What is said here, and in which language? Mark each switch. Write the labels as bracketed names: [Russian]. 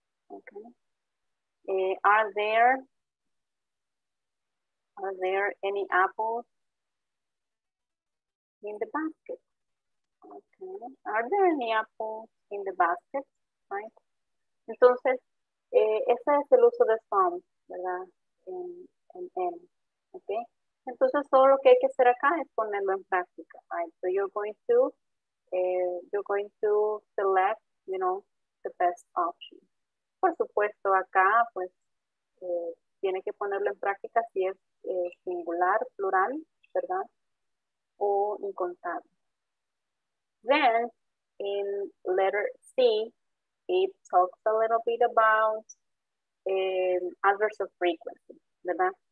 [English] Okay. Are there any apples in the basket? Okay. Are there any apples in the basket? Right. [Spanish] Entonces, ese es el uso de some, ¿verdad? En okay. Entonces, todo lo que hay que hacer acá es ponerlo en práctica, [English] right? So you're going to select, you know, the best option. [Spanish] Por supuesto, acá, pues, tiene que ponerlo en práctica si es singular, plural, ¿verdad? O incontable. [English] Then, in letter C, it talks a little bit about adverbs of frequency, [Spanish] ¿verdad?